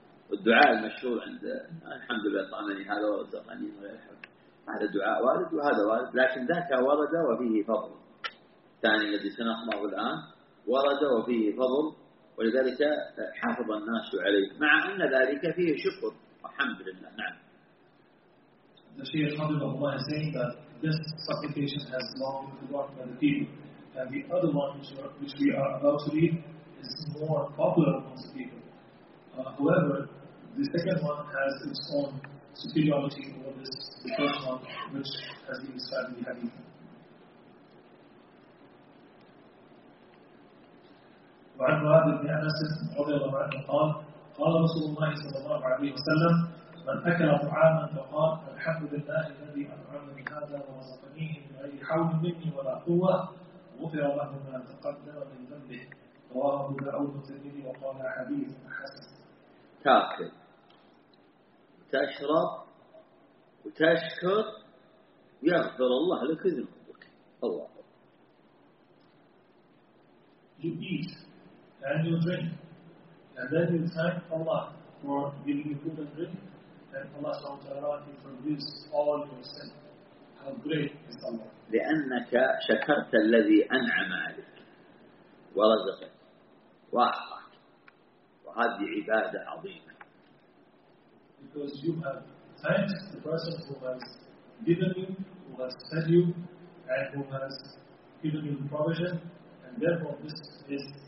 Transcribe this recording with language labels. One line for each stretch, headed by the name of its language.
Arabic: والدعاء المشهور عند الحمد لله طعمني هذا ورزقني هذا دعاء وارد وهذا وارد، لكن ذاك ورد وفيه فضل. الثاني الذي سنقرأه الآن ورد وفيه فضل، ولذلك حافظ الناس عليه مع أن ذلك فيه شكر الحمد لله. نعم.
English: The Shaykh Abdullah is saying that this supplication has long been forgotten by the people, and the other one which we are about to read is more popular amongst the people. However, the second one has its own superiority over this the first one, which has been described in the Hadith.
Arabic: وعن معاذ بن أنس رضي الله عنه قال قال رسول الله صلى الله عليه وسلم من أكل طعاما فقال الحمد لله الذي أنعمني هذا ورزقني من غير حول مني ولا قوة غفر له ما تقدم من ذنبه رواه أبو داود والترمذي وقال حديث حسن. تأكل وتشرب وتشكر يغفر الله لك ذنوبك. الله
English: يبيت and you drink, and then you thank Allah for giving you food and drink, and Allah SWT forgives all your sin. How great is Allah!
Arabic: لأنك شكرت الذي أنعم عليك ورزقك وأعطاك، وهذه عبادة عظيمة.
English: Because you have thanked the person who has given you, who has fed you, and who has given you the provision, and therefore this is